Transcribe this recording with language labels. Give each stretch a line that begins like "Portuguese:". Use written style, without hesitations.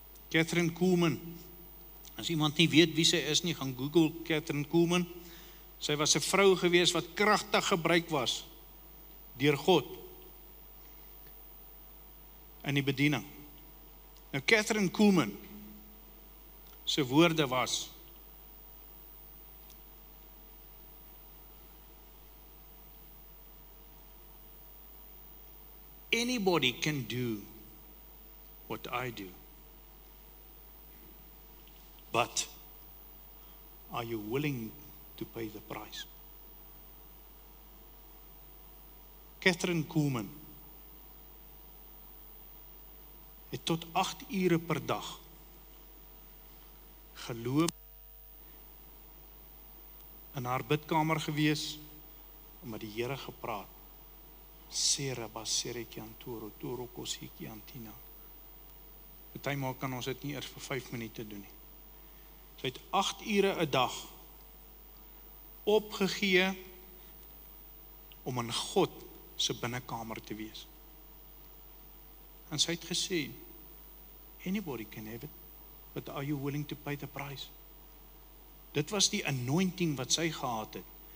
Afrikaans: Catherine Kuhlman, as iemand nie weet wie sy is nie, gaan Google Catherine Kuhlman. Sy was 'n vrou gewees wat kragtig gebruik was deur God in die bediening. Nou Catherine Kuhlman, sy woorde was,
English: anybody can do what I do, but are you willing to pay the price?
Afrikaans: Catherine Kuhlman het tot 8 ure per dag geloop, in haar bidkamer gewees, met die Here gepraat, Sera basere kiantoro, toro kosie kiantina. Partymaal kan ons dit nie eers vir 5 minute doen nie. Sy het 8 ure 'n dag opgegee om in God se binnekamer te wees. En sy het gesê,
English: anybody can have it, but are you willing to pay the price?
Afrikaans: Dit was die anointing wat sy gehad het.